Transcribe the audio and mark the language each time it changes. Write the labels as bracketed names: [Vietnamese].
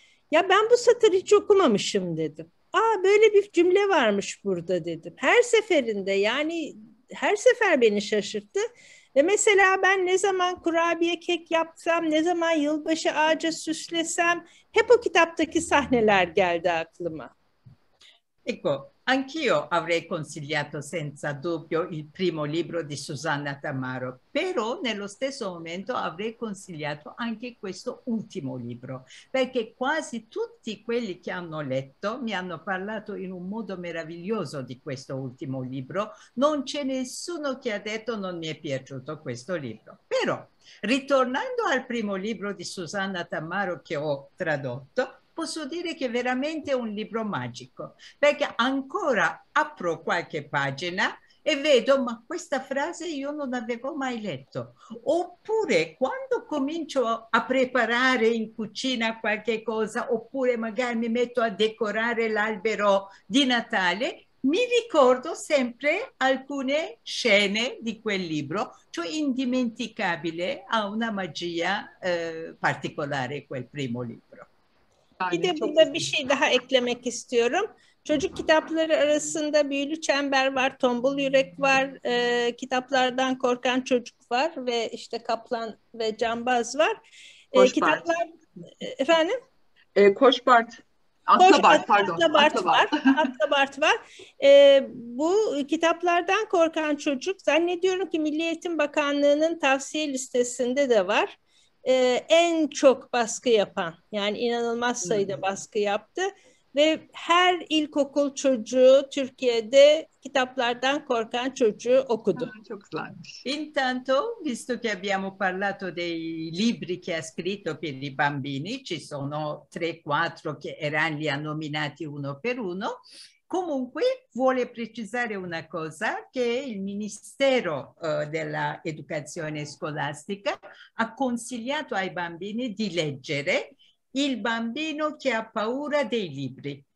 [Turkish] Ya ben bu satırı hiç okumamışım dedim. Aa, böyle bir cümle varmış burada dedim. Her seferinde, yani her sefer beni şaşırttı. Ve mesela ben ne zaman kurabiye kek yapsam, ne zaman yılbaşı ağacı süslesem hep o kitaptaki sahneler geldi aklıma. [Italian] Ecco, anch'io avrei consigliato senza dubbio il primo libro di Susanna Tamaro, però nello stesso momento avrei consigliato anche questo ultimo libro, perché quasi tutti quelli che hanno letto mi hanno parlato in un modo meraviglioso di questo ultimo libro. Non c'è nessuno che ha detto non mi è piaciuto questo libro. Però, ritornando al primo libro di Susanna Tamaro che ho tradotto, posso dire che è veramente un libro magico, perché ancora apro qualche pagina e vedo, ma questa frase io non avevo mai letto. Oppure quando comincio a preparare in cucina qualche cosa, oppure magari mi metto a decorare l'albero di Natale, mi ricordo sempre alcune scene di quel libro, cioè indimenticabile, ha una magia particolare quel primo libro. [Turkish] Aynen, bir de burada bir şey daha eklemek istiyorum. Çocuk kitapları arasında Büyülü Çember var, Tombul Yürek var, Kitaplardan Korkan Çocuk var ve işte Kaplan ve Cambaz var. Kitaplar efendim? Koşbart. Atlabart var. Bu kitaplardan Korkan Çocuk zannediyorum ki Milli Eğitim Bakanlığı'nın tavsiye listesinde de var. En çok baskı yapan, yani inanılmaz sayıda baskı yaptı ve her ilkokul çocuğu Türkiye'de Kitaplardan Korkan Çocuğu okudu. Çok güzelmiş. [Italian] Intanto, visto che abbiamo parlato dei libri che ha scritto per i bambini, ci sono 3-4 che Eran li ha nominati uno per uno. Comunque vuole precisare una cosa, che il Ministero dell'Educazione Scolastica ha consigliato ai bambini di leggere Il bambino che ha paura dei libri.